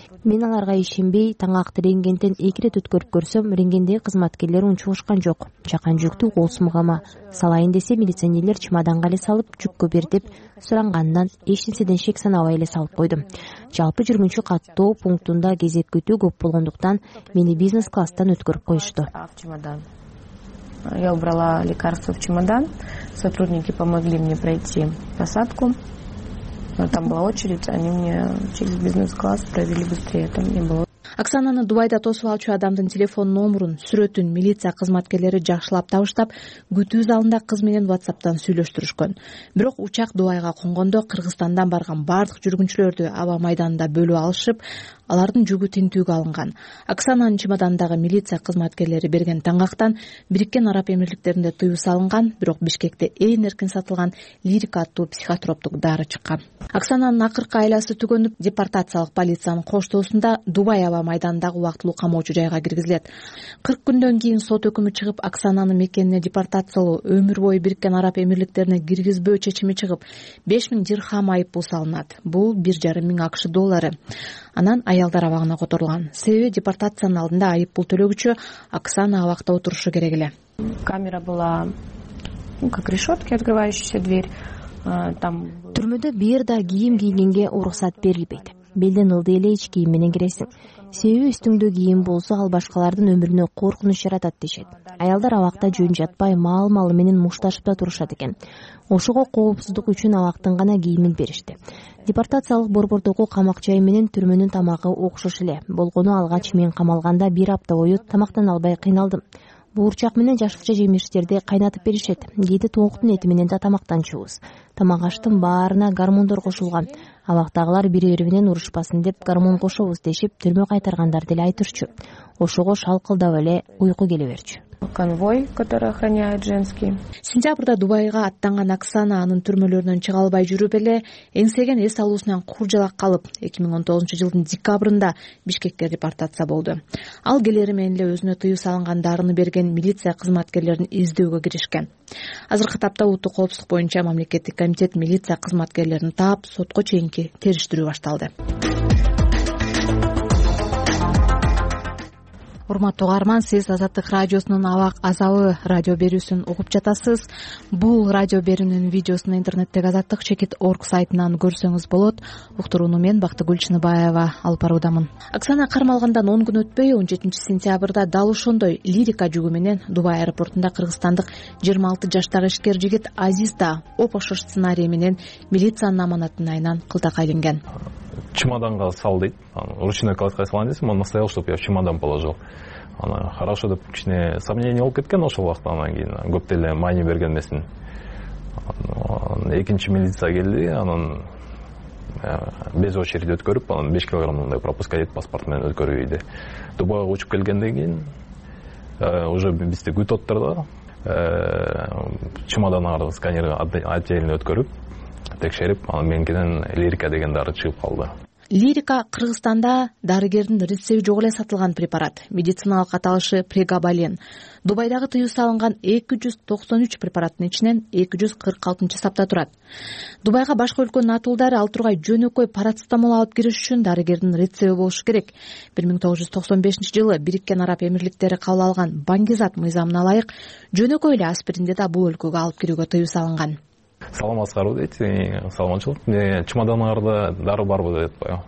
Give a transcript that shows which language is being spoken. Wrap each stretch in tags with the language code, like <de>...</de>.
<ky>Мен аларга ишенбей, таңакты рентгенден 2 ирет өткөрүп көрсөм, рентгендеги кызматкерлер унчушкан жок. Чакан жүктү колсумгама салайын десе, милиционерлер чемоданга эле салып жүккө бер деп суранганынан эч нерседен шек санабай эле салып койдум. Жалпы жүргүнчү каттоо пунктунда кезек күтүү көп болгондуктан, мени бизнес класстан өткөрүп коюшту.</ky> <ru>Я убрала лекарства в чемодан. Сотрудники помогли мне пройти посадку. Там была очередь, они мне через бизнес-класс провели быстрее. Там не было.</ru> <ky>Оксананы Дубайда тосуп алчу адамдын телефон номерин, сүрөтүн милиция кызматкерлери жакшылап табыштап, күтүү залында кыз менен WhatsApp'тан сүйлөштүрүшкөн. Бирок учак Дубайга конгондо Кыргызстандан барган бардык жүргүнчүлөрдү аба майданында бөлүп алышып, алардын жүгү тинтүүгө алынган. Оксананын чемодандагы милиция кызматкерлери берген таңактан Бириккен Араб Эмирликтеринде тыюу салынган, бирок Бишкекте эң эркин сатылган лирика аттуу психотроптук дары чыккан. Оксананын акыркы айласы түгөнүп, депортациялык полициянын коштоосунда Дубай аба майданындагы убактылуу камоочу жайга киргизилет. 40 күндөн кийин сот өкүмү чыгып, Оксананын мекенине депортациялоо, өмүр бою Бириккен Араб Эмирликтерине киргизбөө чечими чыгып, 5000 дирхам айыппул салынат. Бул 1,5 миң АКШ доллары. Анан аялдар абагына которулган. Себеби депортациянын алдында айыппул төлөгүчү Оксана абакта отурушу керек эле.</ky> <ru>Камера была, как решётки, открывающаяся дверь. Там</ru> <ky>түрмөдө бир да кийим кийгенге уруксат берилбейт. Белден ылдый эле ич кийим менен киресиң. Себеби үстүңдө кийим болсо, ал башкалардын өмүрүнө коркунуч жаратат дешет. Аялдар абакта жөн жатпай, маал-малы менен мушташып да турушат экен. Ошого коопсуздук үчүн абактын гана кийимин беришти. Депортациялык борбордогу камак жай менен түрмөнүн тамагы окшош эле. Болгону алгач мен камалганда бир апта бою тамактан албай кыйналдым. Буурчак менен жашылча жемиштерди кайнатып беришет. Кээде тоңуктун эти менен да тамактанчубуз. Тамак аштын баарына гормондор кошулган. Абактагылар бири бири менен урушпасын деп гормон кошобуз дешип түрмө кайтаргандар деле айтышчу. Ошого шалкылдап эле уйку келе берчү.</ky> <ru>Конвой, который охраняет женский.</ru> <ky>Сентябрда Дубайга аттанган Оксана анын түрмөлөрүнөн чыга албай жүрүп эле эңсеген эс алуусунан куржалак калып, 2019 жылдын декабрында Бишкекке депортация болду. Ал келери менен эле өзүнө тыюу салынган дарыны берген милиция кызматкерлерин издөөгө киришкен. Азыркы тапта улуттук коопсуздук боюнча мамлекеттик комитет милиция кызматкерлерин таап, сотко чейинки териштирүү башталды. Урматтуу каарман, сиз Азаттык радиосунун Абак Азабы радио берүүсүн угуп жатасыз. Бул радио берүүнүн видеосун интернеттеги azattik.org сайтынан көрсөңүз болот. Уктурууну мен Бактыгүл Чыныбаева алып баруудамын. Оксана кармалгандан 10 күн өтпөй, 17 сентябрда дал ошондой лирика жүгү менен Дубай аэропортунда кыргызстандык 26 жаштагы ишкер жигит Азиз да опошо сценарий менен милициянын аманатынын айынан кылтака илинген. Чемоданга сал дейт,</ky> <ru>ручной кладкай</ru> <ky>салайын десем,</ky> <ru>он настоял, чтобы я в чемодан положил.</ru> <ky>Анан хорошо деп кичине сомнение болуп кеткен ошол убакта, анан кийин көп деле маани берген эмесин. Экинчи милиция келди, анан</ky> <ru>без очереди</ru> <ky>өткөрүп, анан 5 килограммдай пропуска кетип, паспорт менен өткөрүп ийди. Дубайга учуп келгенден кийин уже бизди күтүп отур да, чемоданды сканерге отдельно өткөрүп, текшерип, анан менкинен лирика деген дары чыгып калды. Лирика Кыргызстанда дарыгердин рецепти жок эле сатылган препарат. Медициналык аталышы прегабален. Дубайдагы тыюу салынган 293 препараттын ичинен 246 сапта турат. Дубайга башка өлкөнүн атуулдары ал тургай жөнөкөй парацетамол алып кириш үчүн дарыгердин рецепти болушу керек. 1995 жылы Бириккен Араб Эмирликтери кабыл алган Бангизат мыйзамына ылайык жөнөкөй эле аспиринди да бул өлкөгө алып кирүүгө тыюу салынган. Салам Аскаров дейт, саламанчылык. Чемоданарда дары барбы деп айтпайбы?</ky>